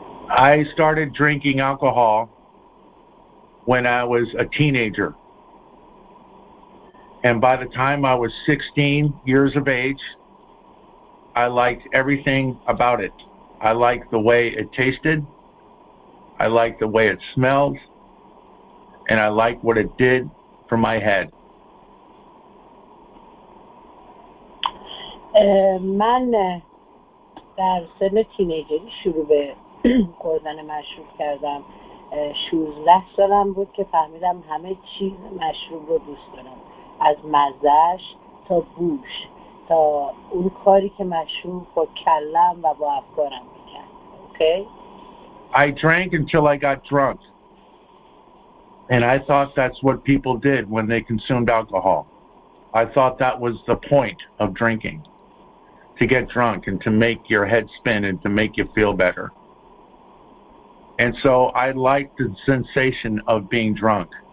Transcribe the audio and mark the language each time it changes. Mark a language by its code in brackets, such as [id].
[en] I started drinking alcohol when I was a teenager, and by the time I was 16 years of age, I liked everything about it. I liked the way it tasted. I liked the way it smelled. And I liked what it did for my head. [fa] من در سن تینیجری شروع به خوردن مشروب کردم. 16 سالم بود که فهمیدم همه چیز مشروب رو دوست دارم. از مزهش تا بوش، تا اون کاری که مشروب با کلم و با افکارم میکرد. [en] I drank until I got drunk. And I thought that's what people did when they consumed alcohol. I thought that was the point of drinking, to get drunk and to make your head spin and to make you feel better. And so I liked the sensation of being drunk.